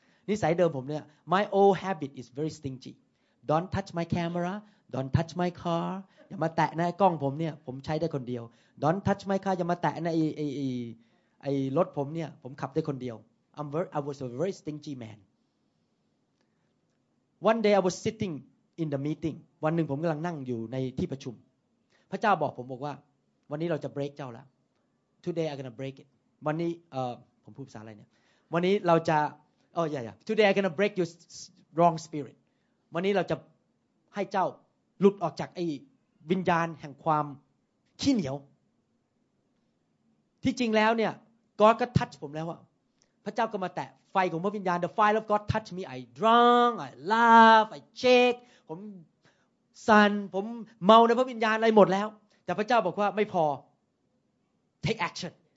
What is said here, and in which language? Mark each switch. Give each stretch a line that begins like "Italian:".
Thai: นิสัยเดิมผมเนี่ย
English: my old habit is very stingy don't touch my camera don't touch my car
Thai: อย่ามาแตะในกล้องผมเนี่ยผมใช้ได้คนเดียว
English: don't touch my car
Thai: อย่ามาแตะในไอรถผมเนี่ยผมขับได้คนเดียว
English: I was a very stingy man. One day I was sitting in the meeting.
Thai: วันหนึ่งผมกำลังนั่งอยู่ในที่ประชุมพระเจ้าบอกผมบอกว่าวันนี้เราจะ break เจ้าแล้ว
English: Today I'm gonna break it.
Thai: วันนี้ผมพูดภาษาอะไรเนี่ยวันนี้เราจะ
English: Today I'm gonna break your wrong spirit.
Thai: วันนี้เราจะให้เจ้าหลุดออกจากไอ้วิญญาณแห่งความขี้เหนียวที่จริงแล้วเนี่ย God ก็ touch ผมแล้วอะพระเจ้าก็มาแตะไฟของพระวิญญาณ
English: The fire of God touched me I drunk I laugh I shake
Thai: ผมสั่นผมเมาในพระวิญญาณอะไรหมดแล้วแต่พระเจ้าบอกว่าไม่พอ
English: Take action